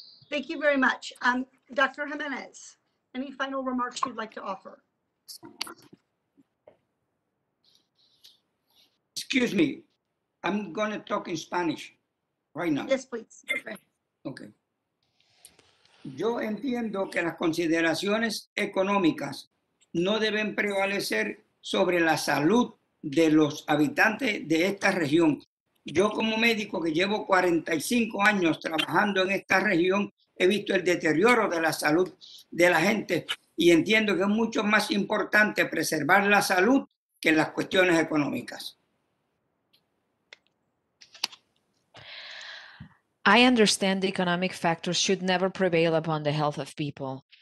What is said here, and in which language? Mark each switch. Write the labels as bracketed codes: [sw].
[en] Thank you very much. Dr. Jimenez, any final remarks you'd like to offer? Excuse me, I'm going to talk in Spanish right now. Yes, please. Okay. [es] Yo entiendo que las consideraciones económicas no deben prevalecer sobre la salud de los habitantes de esta región. Yo como médico que llevo 45 años trabajando en esta región, he visto el deterioro de la salud de la gente y entiendo que es mucho más importante preservar la salud que las cuestiones económicas. [en] I understand the economic factors should never prevail upon the health of people.